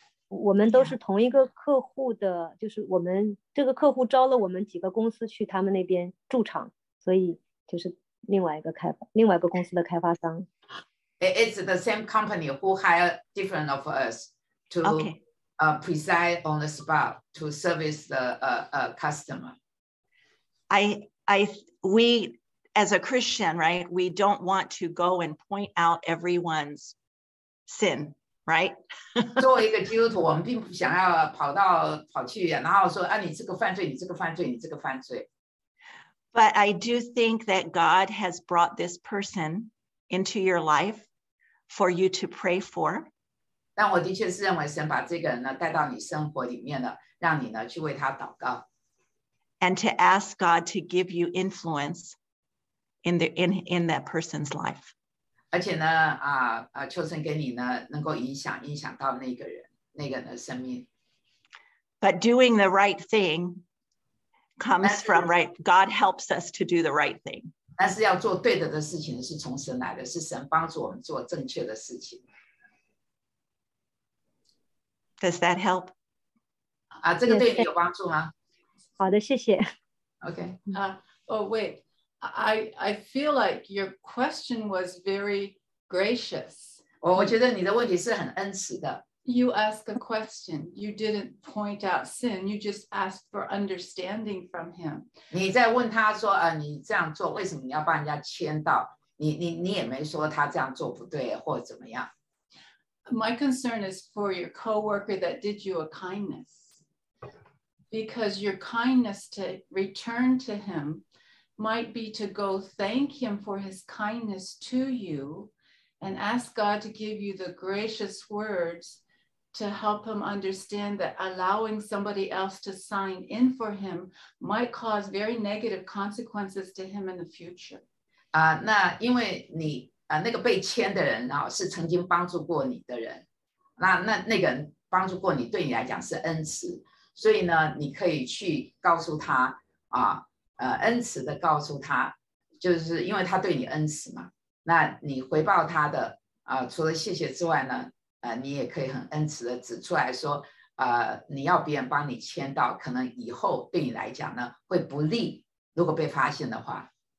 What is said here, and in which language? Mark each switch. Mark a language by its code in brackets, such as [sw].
[zh] 我们都是同一个客户的，就是我们这个客户招了我们几个公司去他们那边驻场，所以就是另外一个公司的开发商。 [en] It's the same company who hired different of us to preside on the spot to service the customer. We as a Christian, right? We don't want to go and point out everyone's sin, right? [zh] 作为一个基督徒，我们并不想要跑去，然后说啊，你这个犯罪，你这个犯罪，你这个犯罪。 [en] But I do think that God has brought this person into your life. For you to pray for. [zh] 但我的确是认为神把这个人呢带到你生活里面了，让你呢去为他祷告。 [en] And to ask God to give you influence in that person's life. [zh] 而且呢，求神给你呢能够影响到那个人，那个人的生命。 [en] But doing the right thing comes from right. God helps us to do the right thing. [zh] 但是要做对的事情是从神来的，是神帮助我们做正确的事情。 [en] Does that help? [zh] 啊，这个对你有帮助吗？好的，谢谢。 [en] Okay. Oh wait, I feel like your question was very gracious. [zh] 我觉得你的问题是很恩慈的。 [en] you ask a question. You didn't point out sin. You just asked for understanding from him. [zh] 你在问他说，你这样做为什么你要帮人家签到？你也没说他这样做不对或怎么样。 [en] My concern is for your coworker that did you a kindness. Because your kindness to return to him might be to go thank him for his kindness to you and ask God to give you the gracious words to help him understand that allowing somebody else to sign in for him might cause very negative consequences to him in the future. [zh] 那因为你那个被签的人啊，是曾经帮助过你的人，那个人帮助过你，对你来讲是恩慈，所以呢，你可以去告诉他啊，恩慈的告诉他，就是因为他对你恩慈嘛，那你回报他的啊，除了谢谢之外呢，你也可以很恩慈的指出来说，你要别人帮你签到，可能以后对你来讲呢会不利，如果被发现的话。